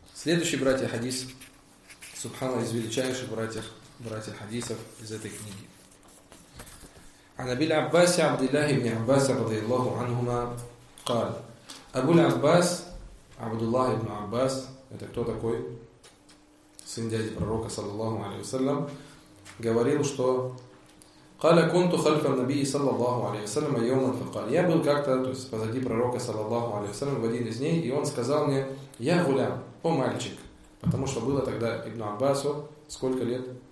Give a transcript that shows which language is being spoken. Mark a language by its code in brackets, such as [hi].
[ru] Следующий братья хадис, субхана, из величайших братьев хадисов из этой книги. [ar] عن أبي العباس عبد الله بن عباس رضي الله عنهما قال أبو العباس عبد الله بن عباس [ru] это кто такой? Сын дяди пророка صلى الله عليه وسلم говорил, что [ar] قال كنت خلف النبي صلى الله عليه وسلم يوما فقال [ru] я был как-то, то есть позади пророка صلى الله عليه وسلم в один из дней, и он сказал мне [ar] я гулям, [ru] о мальчик, потому что было тогда ибн Аббасу сколько лет?